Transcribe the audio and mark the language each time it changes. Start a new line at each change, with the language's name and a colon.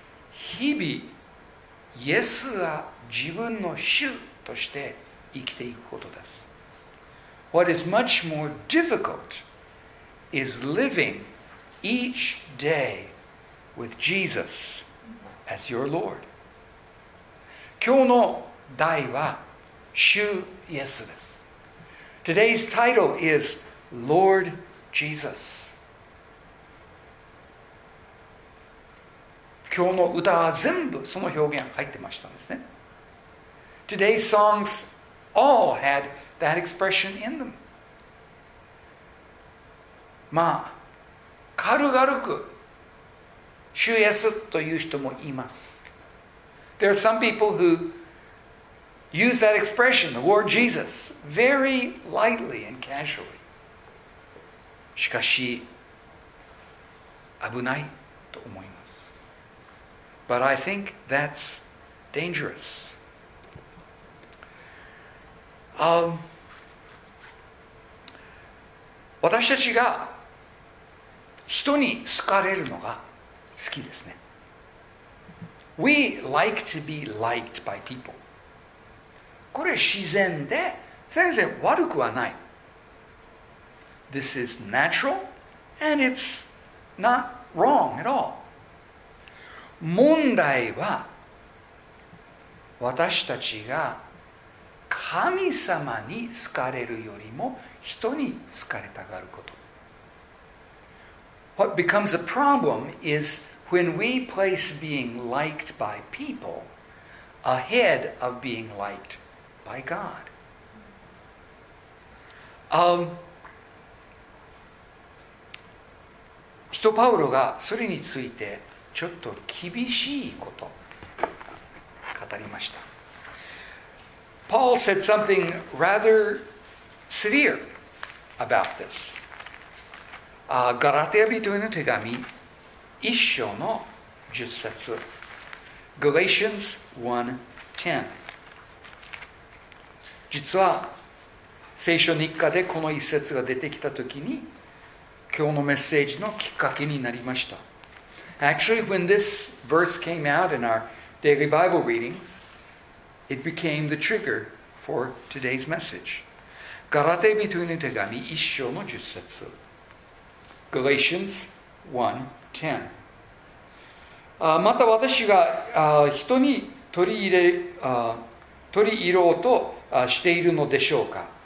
Japanese: 日々イエスが自分の主として生きていくことです。
English: What is much more difficult is living each day with Jesus as your Lord.
Japanese: 今日の題は主イエスです。
English: Today's title is Lord Jesus.
Japanese: 今日の歌は全部その表現入ってましたんですね。
English: Today's songs all had that expression in them.
Japanese: まあ、軽々く主イエスという人もいます。
English: There are some people who use that expression, the word Jesus, very lightly and casually.
Japanese: しかし、危ないと思います。
English: But I think that's dangerous.
Japanese: 私たちが人に好かれるのが好きですね。
English: We like to be liked by people.
Japanese: これ自然で、全然悪くはない。
English: This is natural and it's not wrong at all.
Japanese: 問題は、私たちが神様に好かれるよりも人に好かれたがること。
English: What becomes a problem is when we place being liked by people ahead of being liked by God.
Japanese: 人パウロがそれについてちょっと厳しいこと語りました。
English: Paul said something rather severe about this.
Japanese: ガラテヤ人への手紙一章の十節
English: Galatians 1:10
Japanese: 実は聖書日課でこの一節が出てきたときに今日のメッセージのきっかけになりました
English: Actually, when this verse came out in our daily Bible readings, it became the triggerfor today's message.
Japanese: ガラテ人への手紙一章の十節
English: Galatians 1:10
Japanese: また私が人に取り入ろうとしているのでしょうか。